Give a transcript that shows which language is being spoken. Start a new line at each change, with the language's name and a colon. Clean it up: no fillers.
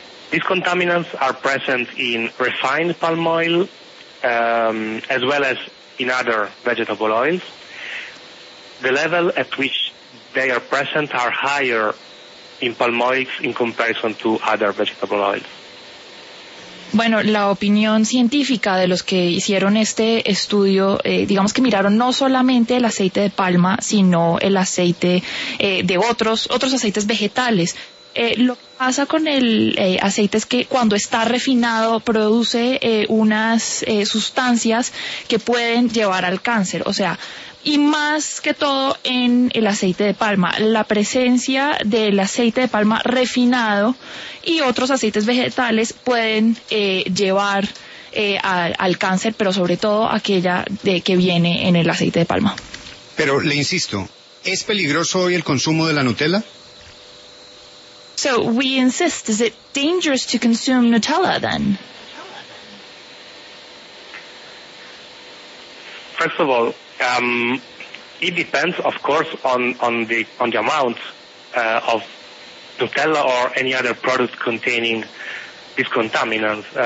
English: These contaminants are present in refined palm oil, as well as in other vegetable oils. The level at which they are present are higher in palm oils in comparison to other vegetable oils.
Spanish: Bueno, la opinión científica de los que hicieron este estudio, digamos que miraron no solamente el aceite de palma, sino el aceite de otros aceites vegetales. Lo que pasa con el aceite es que cuando está refinado produce unas sustancias que pueden llevar al cáncer, o sea, y más que todo en el aceite de palma. La presencia del aceite de palma refinado y otros aceites vegetales pueden llevar al cáncer, pero sobre todo aquella de que viene en el aceite de palma. Pero le insisto, ¿es peligroso hoy el consumo de la Nutella?
English: So we insist, is it dangerous to consume Nutella then? First of all, it depends, of course, on the amount of Nutella or any other product containing this contaminant.